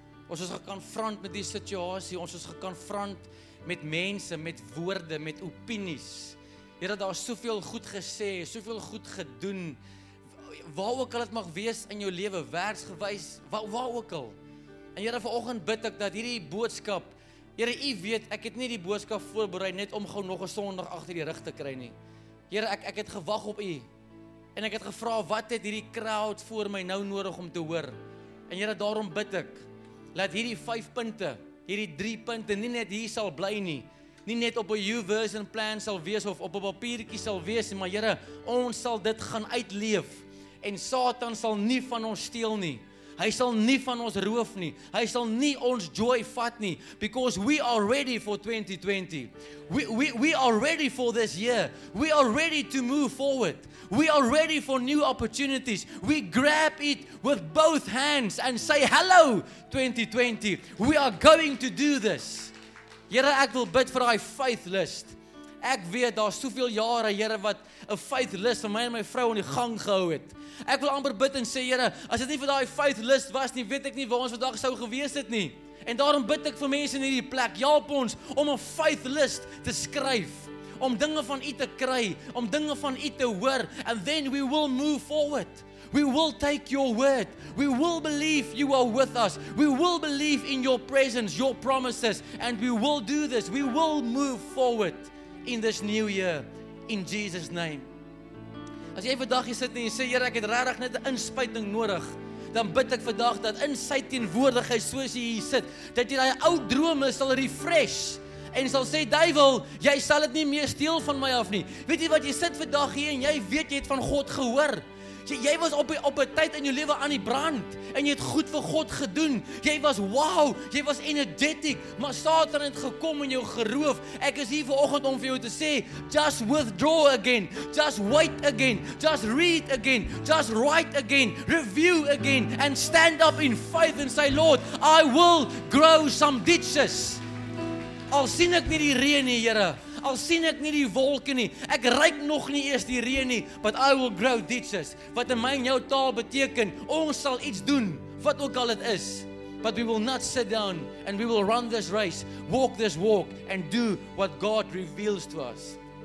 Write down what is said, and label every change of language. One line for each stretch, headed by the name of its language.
Afrikaans: Ons is gekonfront met die situasie, ons is gekonfront met mense, met woorde, met opinies. Here, daar is soveel goed gesê, soveel goed gedoen. Waar ook al dit mag wees in jou lewe, werksgewys, waar ook al. En Here, vanoggend bid ek dat hierdie boodskap, Here, U weet, ek het nie die boodskap voorberei net om gou nog 'n Sondag agter die rug te kry nie. Here, ek het gewag op U. En ek het gevra, wat het hierdie crowd voor my nou nodig om te hoor? En Here, daarom bid ek, laat hierdie 5 punte, hierdie 3 punte nie net hier sal bly nie. Nie net op 'n YouVersion plan sal wees of op 'n papiertjie sal wees, maar Here, ons sal dit gaan uitleef. En Satan sal nie van ons steel nie. Hy sal nie van ons roof nie. Hy sal nie ons joy vat nie.
English: Because we are ready for 2020. We are ready for this year. We are ready to move forward. We are ready for new opportunities. We grab it with both hands and say, hello, 2020. We are going to do this.
Afrikaans: Here, ek wil bid vir daai faith list. Ek weet, daar is soveel jare, Here, wat 'n faith list van my en my vrou in die gang gehou het. Ek wil amper bid en sê, Here, as dit nie vir daai faith list was nie, weet ek nie waar ons vandag sou gewees het nie. En daarom bid ek vir mense in hierdie plek, help ons om 'n faith list te skryf. Om dinge van U te kry, om dinge van U te hoor.
English: And then we will move forward. We will take your word. We will believe you are with us. We will believe in your presence, your promises. And we will do this. We will move forward in this new year. In Jesus' name.
Afrikaans: As jy vandag hier sit en jy sê, Here, ek het regtig net 'n inspuiting nodig, dan bid ek vandag dat in sy teenwoordigheid, soos jy hier sit, dat jy daai ou drome sal refresh. En sal sê, duivel, jy sal dit nie meer steel van my af nie. Weet jy wat, jy sit vandag hier en jy weet jy het van God gehoor. Jy was op 'n tyd in jou lewe aan die brand en jy het goed vir God gedoen. Jy was wow, jy was energetic, maar Satan het gekom en jou geroof. Ek is hier vanoggend om vir jou te sê,
English: just withdraw again, just wait again, just read again, just write again, review again and stand up in faith and say, Lord, I will grow some ditches.
Afrikaans: Al sien ek nie die reën nie, Here. Al sien ek nie die wolke nie. Ek ruik nog nie eers die reën nie,
English: but I will grow ditches.
Afrikaans: Wat in my en jou taal beteken, ons sal iets doen, wat ook al dit is.
English: But we will not sit down and we will run this race, walk this walk and do what God reveals to us.